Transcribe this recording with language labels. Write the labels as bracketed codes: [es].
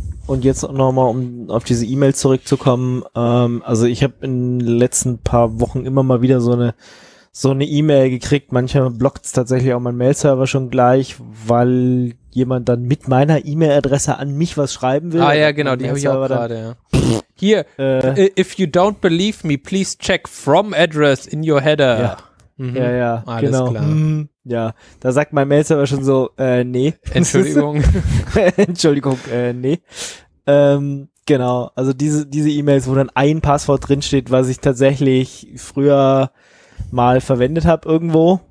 [de] Und jetzt nochmal, um auf diese E-Mail zurückzukommen. Also ich habe in den letzten paar Wochen immer mal wieder so eine E-Mail gekriegt. Manchmal blockt es tatsächlich auch mein Mail-Server schon gleich, weil jemand dann mit meiner E-Mail-Adresse an mich was schreiben will. Ah ja, genau, die habe ich auch gerade, ja. [en] Hier, if you don't believe me, please check from address in your header. [de] Ja, ja, ja, alles genau. Klar. Hm, ja, da sagt mein Mail-Server schon so, nee. Entschuldigung. Entschuldigung, nee. Genau, also diese E-Mails, wo dann ein Passwort drinsteht, was ich tatsächlich früher mal verwendet habe irgendwo.